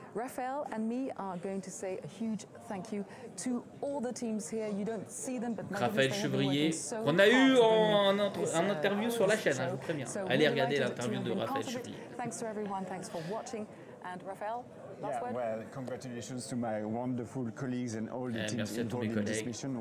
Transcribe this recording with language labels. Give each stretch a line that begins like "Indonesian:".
English: Raphaël and me are going to say a huge thank you to all the teams here. You don't see them, but
French: Raphaël Chevrier, on a eu un interview sur la chaîne, je vous préviens. Allez regarder l'interview de Raphaël Chevrier.
English: Thanks to everyone, thanks for watching, and Raphaël. Yeah, well, congratulations to my wonderful colleagues and all the teams involved in this mission.